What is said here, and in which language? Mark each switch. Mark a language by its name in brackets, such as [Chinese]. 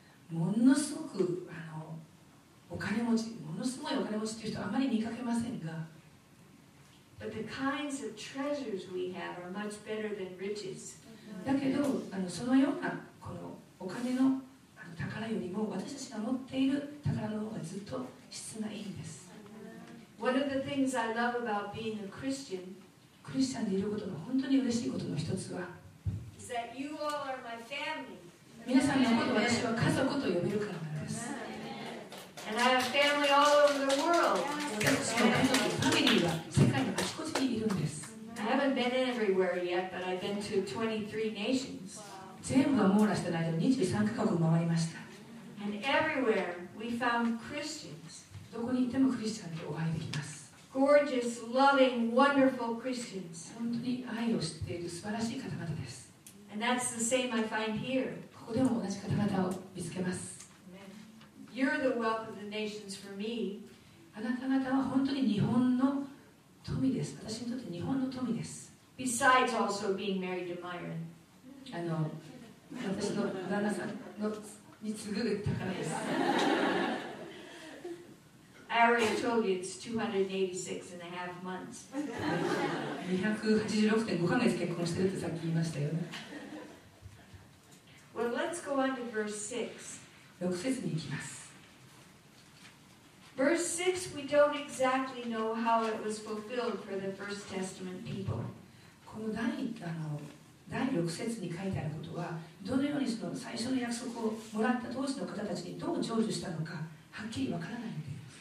[Japanese] ものすごくお金持ち、ものすごいお金持ちという人あまり見かけませんが。 [English] But the kinds of treasures we have are much better than riches. [Japanese] だけどそのようなこのお金の宝よりも私たちが持っている宝の方がずっと質がいいんです。 [English] One of the things I love about being a Christian, [Japanese] クリスチャンでいることの本当に嬉しいことの一つは、 [English] is that you all are my family. [Japanese] 皆さんのことを私は家族と呼べるからなんです。 [English] And I have family all over the world. [Japanese] 私の家族、ファミリーは世界のあちこちにいるんです。 [English] I haven't been everywhere yet, but I've been to 23 nations. [Japanese] 全部は網羅してないで23カ国を回りました。 [English] And everywhere we found Christians. [Japanese] どこに行ってもクリスチャンとお会いできます。 [English] Gorgeous, loving, wonderful Christians. [Japanese] 本当に愛を知っている素晴らしい方々です。 [English] And that's the same I find here. [Japanese] ここでも同じ方々を見つけます。 [English] You're the wealth of the nations for me. [Japanese] あなた方は本当に日本の富です。私にとって日本の富です。 [English] Besides also being married to Myron. [Japanese] 私の旦那さんのに次ぐ宝です。 [English] I already told you it's 286.5 months. [Japanese] 286.5 ヶ月結婚してるってさっき言いましたよね。 [English] Well, let's go on to verse [Japanese] 6. 6節に行きます。 [English] Verse 6, we don't exactly know how it was fulfilled for the First Testament people. [Japanese] この第6節に書いてあることは、どのようにその最初の約束をもらった当時の方たちにどう成就したのか、はっきりわからないんです